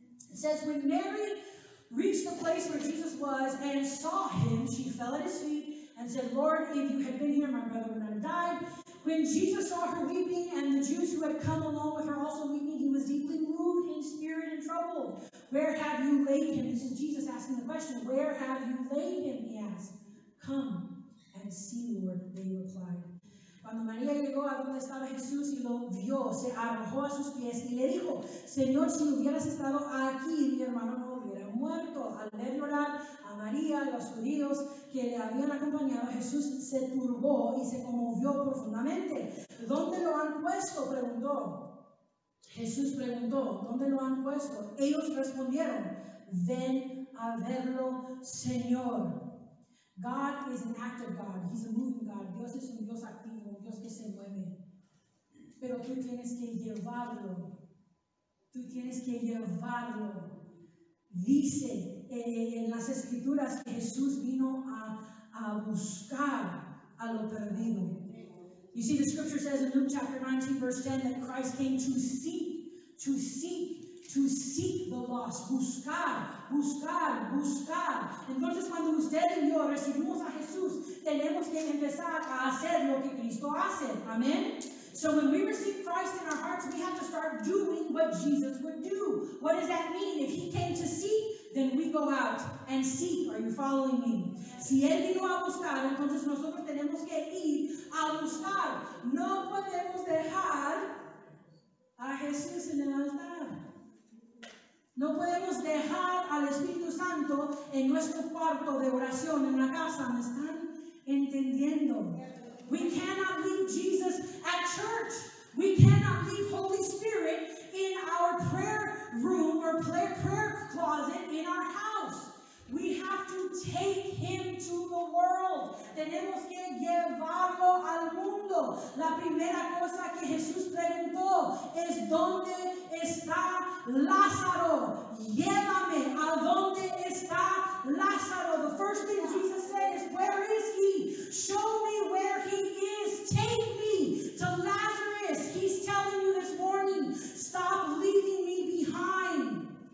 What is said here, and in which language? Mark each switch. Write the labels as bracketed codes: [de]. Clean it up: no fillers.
[en] It says, when Mary reached the place where Jesus was and saw him, she fell at his feet and said, Lord, if you had been here, my brother would not have died. When Jesus saw her weeping and the Jews who had come along with her also weeping, he was deeply moved in spirit and troubled. Where have you laid him? This is Jesus asking the question, where have you laid him? He asked, come and see, Lord, they replied. [es] Cuando María llegó a donde estaba Jesús y lo vio, se arrojó a sus pies y le dijo, Señor, si hubieras estado aquí, mi hermano no hubiera muerto. Al ver llorar a María, a los judíos que le habían acompañado, Jesús se turbó y se conmovió profundamente. ¿Dónde lo han puesto? Preguntó. Jesús preguntó, ¿dónde lo han puesto? Ellos respondieron, ven a verlo, Señor. [en] God is an active God. He's a moving God. [es] Dios es un Dios activo, un Dios que se mueve. Pero tú tienes que llevarlo. Tú tienes que llevarlo. Dice en las Escrituras que Jesús vino a buscar a lo perdido. [en] You see, the scripture says in Luke chapter 19, verse 10, that Christ came to seek the lost. [es] Buscar. Entonces, cuando usted y yo recibimos a Jesús, tenemos que empezar a hacer lo que Cristo hace. [en] Amen? So when we receive Christ in our hearts, we have to start doing what Jesus would do. What does that mean? If he came to seek, then we go out and seek. Are you following me? [es] Si él vino a buscar, entonces nosotros tenemos que ir a buscar. No podemos dejar a Jesús en el altar. No podemos dejar al Espíritu Santo en nuestro cuarto de oración, en la casa. ¿Me están entendiendo? [en] We cannot leave Jesus at church. We cannot leave Holy Spirit in our prayer room or prayer closet in our house. We have to take him to the world. [es] Tenemos que llevarlo al mundo. La primera cosa que Jesús preguntó es, ¿dónde está Lázaro? Llévame. ¿A dónde está Lázaro? [en] The first thing Jesus said is, where is he? Show me where he is. Take me to Lazarus. He's telling you this morning, stop leaving me behind.